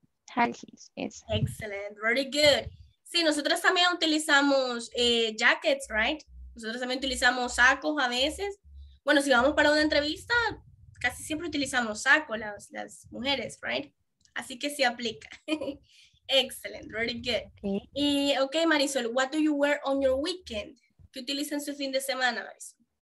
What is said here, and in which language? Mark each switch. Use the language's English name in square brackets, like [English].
[English] High heels, yes. Excellent, very good. [Spanish] Sí, nosotros también utilizamos jackets, right? Nosotros también utilizamos sacos a veces. Bueno, si vamos para una entrevista, casi siempre utilizamos sacos las mujeres, right? Así que sí aplica. [English] Excellent, very good. Okay. Y, ok, Marisol, what do you wear on your weekend? [Spanish] ¿Qué utilizas en su fin de semana, Marisol?